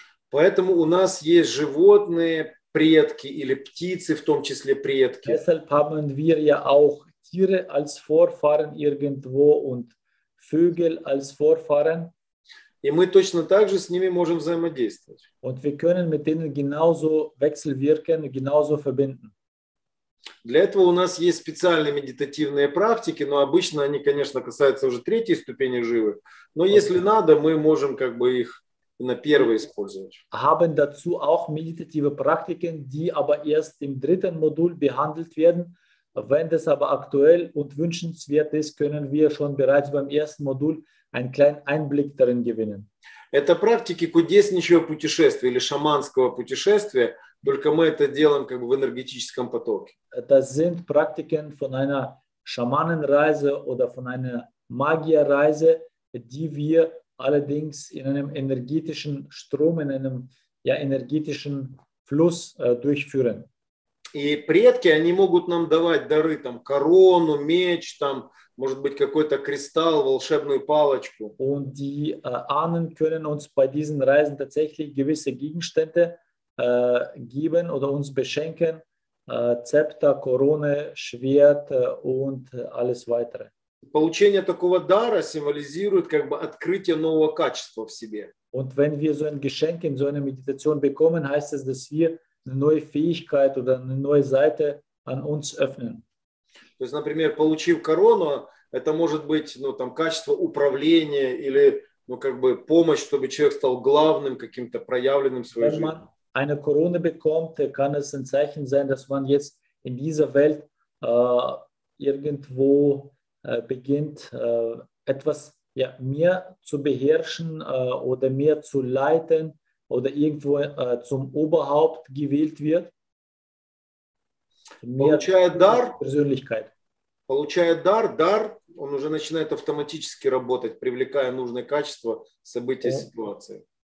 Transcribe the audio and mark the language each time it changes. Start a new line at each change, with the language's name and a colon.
Russian: Поэтому у нас есть животные, предки или птицы, в том числе предки.
German: Deshalb haben wir ja auch Tiere als Vorfahren irgendwo und Vögel als Vorfahren.
Russian: И мы точно так же с ними можем взаимодействовать.
German: Und wir können mit denen genauso wechselwirken, genauso verbinden.
Russian: Для этого у нас есть специальные медитативные практики, но обычно они, конечно, касаются уже третьей ступени живы. Но если надо, мы можем как бы их на первой использовать.
German: Haben dazu auch meditative Praktiken, die aber erst im dritten Modul behandelt werden. Wenn das aber aktuell und wünschenswert ist, können wir schon bereits beim ersten Modul einen kleinen Einblick darin gewinnen.
Russian: Это практики кудесничьего путешествия или шаманского путешествия, только мы это делаем как бы в энергетическом потоке.
German: Das sind Praktiken von einer Schamanenreise oder von einer Magierreise, die wir allerdings in einem energetischen Strom, in einem ja, energetischen Fluss durchführen.
Russian: И предки, они могут нам давать дары, там, корону, меч, там, может быть, какой-то кристалл, волшебную палочку.
German: Und die Ahnen können uns bei diesen Reisen tatsächlich gewisse Gegenstände geben oder uns beschenken. Zepter, Krone, Schwert und alles weitere.
Russian: Получение такого дара символизирует как бы открытие нового качества в себе.
German: Und wenn wir so ein Geschenk in so einer Meditation bekommen, heißt es, dass wir eine neue Fähigkeit oder eine neue Seite an uns öffnen.
Russian: То есть, например, получив корону, это может быть, ну, там, качество управления или, ну, как бы помощь, чтобы человек стал главным каким-то проявленным в своей жизни.
German: Eine Krone bekommt, kann es ein Zeichen sein, dass man jetzt in dieser Welt irgendwo beginnt, etwas ja, mehr zu beherrschen oder mehr zu leiten oder irgendwo zum Oberhaupt gewählt wird.
Russian: Mehr получает дар,
German: Persönlichkeit.
Russian: Получает дар, дар, он уже начинает автоматически работать, привлекая нужные качества, события, ситуации.